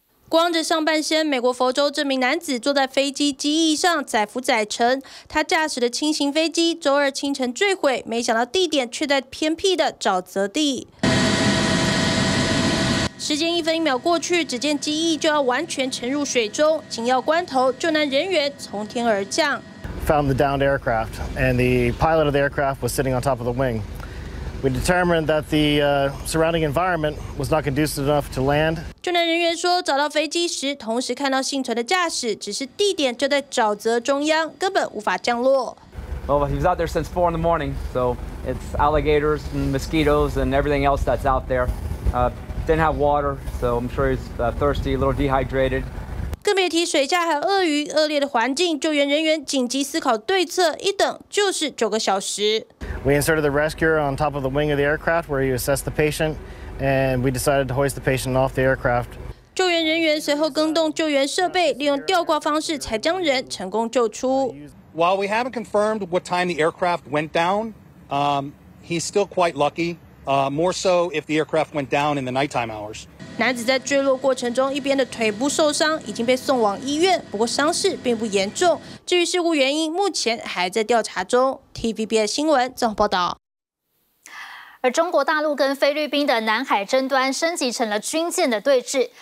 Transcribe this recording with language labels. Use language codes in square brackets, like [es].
[zh] 光着上半身，美国佛州这名男子坐在飞机机翼上载浮载沉。他驾驶的轻型飞机周二清晨坠毁，没想到地点却在偏僻的沼泽地。时间一分一秒过去，只见机翼就要完全沉入水中，紧要关头，救难人员从天而降。 [en] Found the downed aircraft, and the pilot of the aircraft was sitting on top of the wing. We determined that the surrounding environment was not conducive enough to land. [zh] 救援人员说，找到飞机时，同时看到幸存的驾驶，只是地点就在沼泽中央，根本无法降落。 [en] Well, he was out there since 4 in the morning, so it's alligators and mosquitoes and everything else that's out there. Didn't have water, so I'm sure he's thirsty, a little dehydrated. [zh] 更别提水下还有鳄鱼，恶劣的环境，救援人员紧急思考对策，一等就是9个小时。 [en] We inserted the rescuer on top of the wing of the aircraft where you assess the patient. And we decided to hoist the patient off the aircraft. [zh] 救援人员随后更动救援设备，利用吊挂方式才将人成功救出。 [en] While we haven't confirmed what time the aircraft went down, he's still quite lucky. More so if the aircraft went down in the nighttime hours. [zh] 男子在坠落过程中一边的腿部受伤，已经被送往医院，不过伤势并不严重。至于事故原因，目前还在调查中。 TVBS 新闻综合报道。而中国大陆跟菲律宾的南海争端升级成了军舰的对峙。